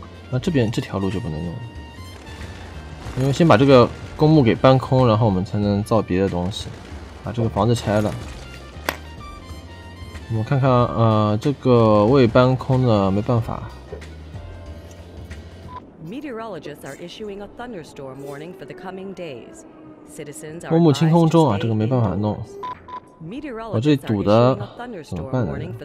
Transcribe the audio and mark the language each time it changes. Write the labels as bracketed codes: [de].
[zh] 那这边这条路就不能用了，因为先把这个公墓给搬空，然后我们才能造别的东西。把这个房子拆了。我们看看，这个未搬空的没办法。 [en] Meteorologists are issuing a thunderstorm warning for the coming days. Citizens are. [zh] 公墓清空中啊，这个没办法弄。我这堵的怎么办呢？